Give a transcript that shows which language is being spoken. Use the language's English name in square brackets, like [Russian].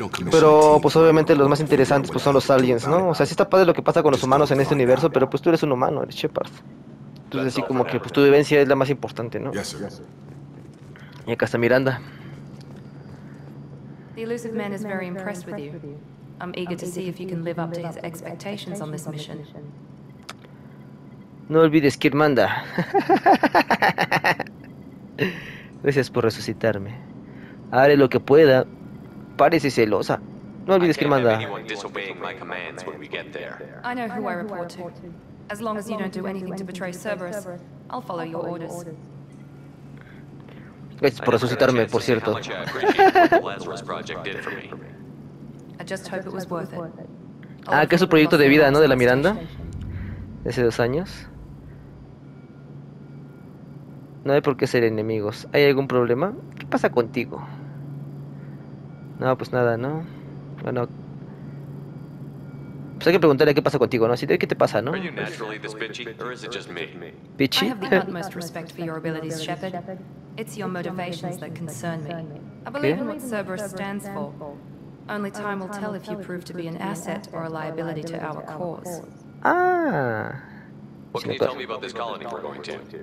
[Spanish] Pero pues obviamente los más interesantes pues son los aliens, ¿no? O sea, sí está padre lo que pasa con los humanos en este universo, pero pues tú eres un humano, eres Shepard. Entonces así como que pues tu vivencia es la más importante, ¿no? Y acá está Miranda. [English] The elusive man is very impressed with you. I'm eager to see if you can live up to his expectations on this mission. [Spanish] No olvides quién manda. Gracias por resucitarme. Haré lo que pueda. Parece celosa. No olvides quién manda. [English] I know who I report to. As long as you don't do anything to betray Cerberus, I'll follow your orders. Gracias por resucitarme, por cierto. I just hope it was worth it. [Spanish] Ah, que es su proyecto de vida, ¿no? De la Miranda. De hace 2 años. No hay por qué ser enemigos. ¿Hay algún problema? ¿Qué pasa contigo? No, pues nada, ¿no? Bueno, pues hay que preguntarle qué pasa contigo, ¿no? Así de qué te pasa, ¿no? ¿Pichi? [English] I have the utmost respect for your abilities, Shepard. It's your motivations that concern me. I believe in what Cerberus stands for. Only time will tell if you prove to be an asset or a liability to our cause. Ah. What can you tell me about this colony we're going to?